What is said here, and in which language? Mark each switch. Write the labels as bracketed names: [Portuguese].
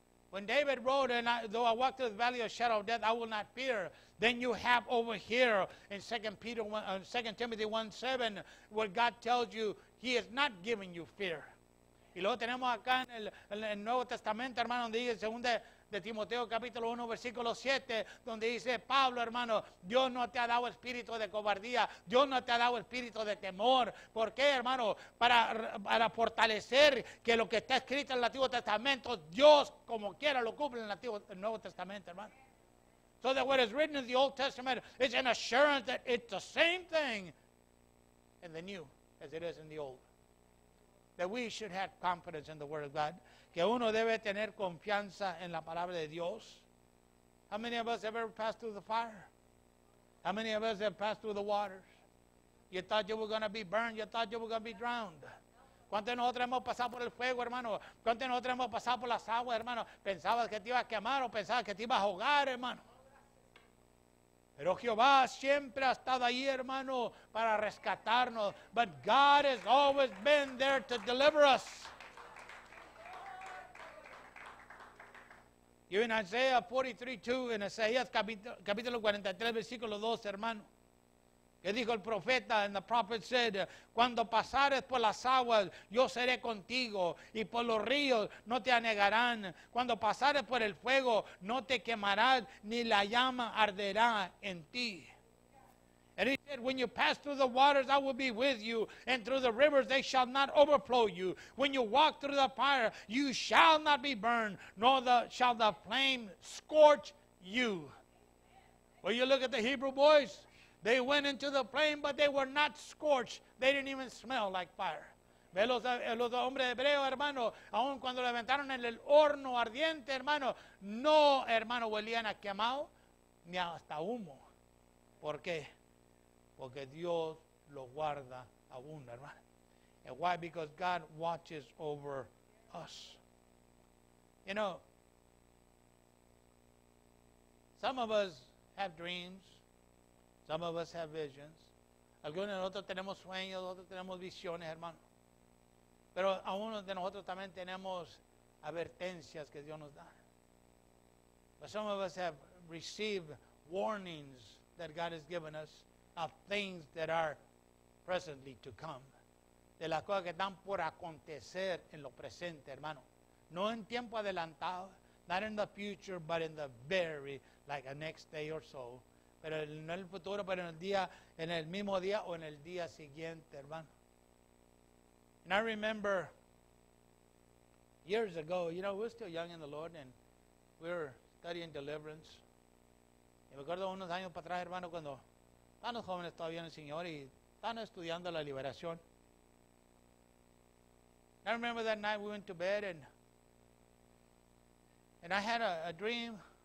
[English] When David wrote, though I walk through the valley of shadow of death, I will not fear. Then you have over here in 2 Timothy 1:7, where God tells you he is not giving you fear. [Spanish] Y luego tenemos acá en el Nuevo Testamento, hermano, donde dice 2 Timoteo 1:7, donde dice Pablo, hermano, Dios no te ha dado espíritu de cobardía, Dios no te ha dado espíritu de temor. ¿Por qué, hermano? Para fortalecer que lo que está escrito en el Antiguo Testamento, Dios como quiera lo cumple en el Nuevo Testamento, hermano. [English] So that what is written in the Old Testament is an assurance that it's the same thing in the New as it is in the Old. That we should have confidence in the Word of God. [Spanish] Que uno debe tener confianza en la palabra de Dios. [English] How many of us have ever passed through the fire? How many of us have passed through the waters? You thought you were going to be burned. You thought you were going to be drowned. [Spanish] ¿Cuántos de nosotros hemos pasado por el fuego, hermano? ¿Cuántos de nosotros hemos pasado por las aguas, hermano? ¿Pensabas que te iba a quemar o pensabas que te iba a ahogar, hermano? Pero Jehová siempre ha estado ahí, hermano, para rescatarnos. [English] But God has always been there to deliver us. [Spanish] Y en Isaías 43:2, hermano, que dijo el profeta, [English] and the prophet said, [Spanish] cuando pasares por las aguas, yo seré contigo, y por los ríos no te anegarán. Cuando pasares por el fuego, no te quemarás, ni la llama arderá en ti. [English] And he said, when you pass through the waters, I will be with you, and through the rivers, they shall not overflow you. When you walk through the fire, you shall not be burned, nor shall the flame scorch you. Well, you look at the Hebrew boys. They went into the flame, but they were not scorched. They didn't even smell like fire. [Spanish] Ve los hombres hebreos, hermano, aun cuando levantaron en el horno ardiente, hermano, no, hermano, huelían a quemado, ni hasta humo. ¿Por qué? Porque Dios lo guarda aún, hermano. [English] And why? Because God watches over us. You know, some of us have dreams. Some of us have visions. [Spanish] Algunos de nosotros tenemos sueños, otros tenemos visiones, hermano. Pero a uno de nosotros también tenemos advertencias que Dios nos da. [English] But some of us have received warnings that God has given us of things that are presently to come. [Spanish] De las cosas que están por acontecer en lo presente, hermano. No en tiempo adelantado, [English] not in the future, but in the very, like a next day or so. [Spanish] Pero no en el futuro, pero en el día, en el mismo día o en el día siguiente, hermano. [English] And I remember years ago, you know, we were still young in the Lord and we were studying deliverance. [Spanish] Y me acuerdo unos años para atrás, hermano, cuando estábamos jóvenes todavía en el Señor y estábamos estudiando la liberación. [English] And I remember that night we went to bed and I had a dream